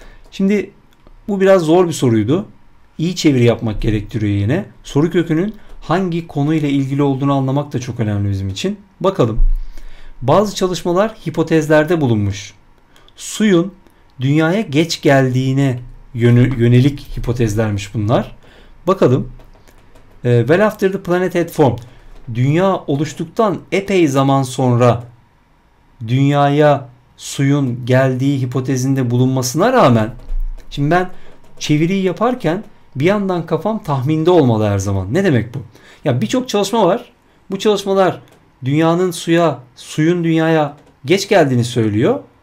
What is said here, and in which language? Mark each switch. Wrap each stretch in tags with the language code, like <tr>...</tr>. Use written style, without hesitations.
<tr>Şimdi bu biraz zor bir soruydu. İyi çeviri yapmak gerektiriyor yine. Soru kökünün hangi konuyla ilgili olduğunu anlamak da çok önemli bizim için. Bakalım. Bazı çalışmalar hipotezlerde bulunmuş. Suyun dünyaya geç geldiğine yönelik hipotezlermiş bunlar. Bakalım.</tr> <en>Well after the planet had formed.</en> <tr>Dünya oluştuktan epey zaman sonra dünyaya suyun geldiği hipotezinde bulunmasına rağmen, şimdi ben çeviriyi yaparken bir yandan kafam tahminde olmalı her zaman. Ne demek bu? Ya birçok çalışma var. Bu çalışmalar dünyanın suyun dünyaya geç geldiğini söylüyor.</tr>